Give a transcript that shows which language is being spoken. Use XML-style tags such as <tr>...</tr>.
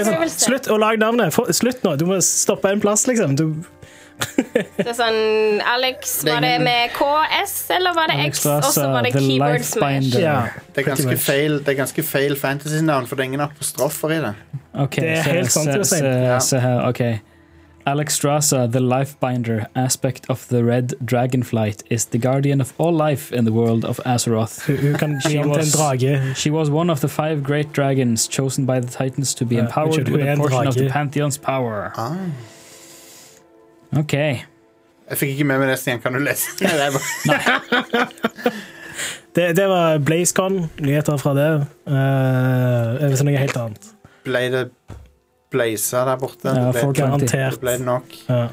<no>Slutt å lage navnet. Slutt nå, du må stoppe en plass liksom. Det er sånn Alex, var det med KS eller var det X, og så var det Keyboard Smash, ja. Det er ganske feil. Det er ganske feil fantasy navn, for det er ingen apostrofer i det. Okay, det er helt sant til å si. Se her, ok.</no> <en>Alex Strasa, the Lifebinder, aspect of the Red Dragonflight, is the guardian of all life in the world of Azeroth. Who can be a dragon? She was one of the five great dragons chosen by the Titans to be empowered with a portion of the Pantheon's power. Ah. Okay.</en> <no>Jeg fikk ikke med meg nesten igjen, kan du lese? Det var BlazeCon, nyheter fra det. Jeg vet noe helt annet. Blazer der borte. Ja, folk er hantert. Det ble nok. Ja.</no>